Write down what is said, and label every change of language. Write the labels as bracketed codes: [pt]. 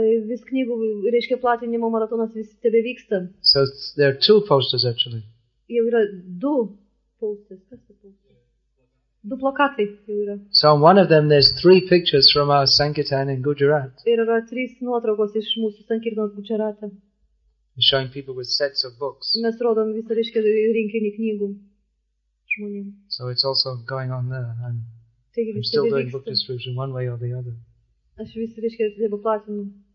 [lt] Vis knygų, reiškia, platinimo maratonas vis tebevyksta. [en] So there are two posters actually. [lt] Jau yra du posters. Kas tai posters? Du plakatai jau yra. [en] So on one of them there's three pictures from our Sankirtan in Gujarat. [lt] Ir yra trys nuotraukos iš mūsų Sankirtanos Gujarate. [en] Showing people with sets of books. [lt] Mes rodom visą, reiškia, rinkinį knygų žmonėm. [en] So it's also going on there. And I'm still doing book distribution one way or the other. [lt] Aš vis, reiškia, dėbu platinu.